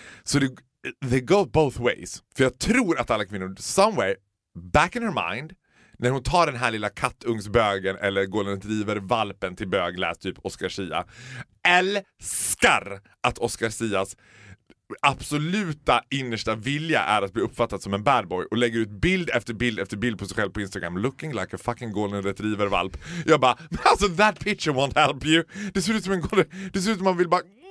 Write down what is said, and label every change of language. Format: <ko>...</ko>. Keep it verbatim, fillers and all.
<sv>Så det</sv> <en>they go both ways.</en> <sv>För jag tror att alla kvinnor</sv> <en>somewhere back in her mind,</en> <sv>när hon tar den här lilla kattungsbögen eller går och driver valpen till bög, läs typ Oscar Sia, älskar att Oscar Sias absoluta innersta vilja är att bli uppfattad som en bad boy och lägger ut bild efter bild efter bild på sig själv på Instagram</sv> <en>looking like a fucking golden retriever</en> <sv>valp. Jag bara, alltså</sv> <en>that picture won't help you.</en> <sv>Det ser ut som en golden, det ser ut som man vill bara.</sv>